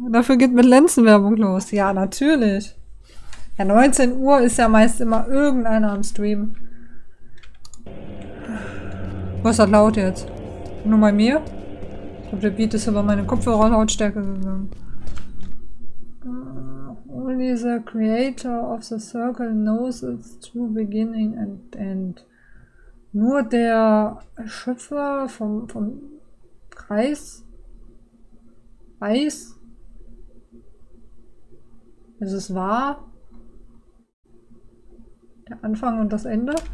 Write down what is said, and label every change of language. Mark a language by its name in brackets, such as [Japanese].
[German] Dafür geht mit Lenzen-Werbung los. Ja, natürlich. Ja, 19 Uhr ist ja meist immer irgendeiner am Stream. Was ist das laut jetzt? Nur bei mir? Ich glaube, der Beat ist über meine Kopfhörer-Lautstärke gegangen. [English] Only the creator of the circle knows its true beginning and end. [German] Nur der Schöpfer vom Kreis weiß, ist es wahr, Der Anfang und das Ende.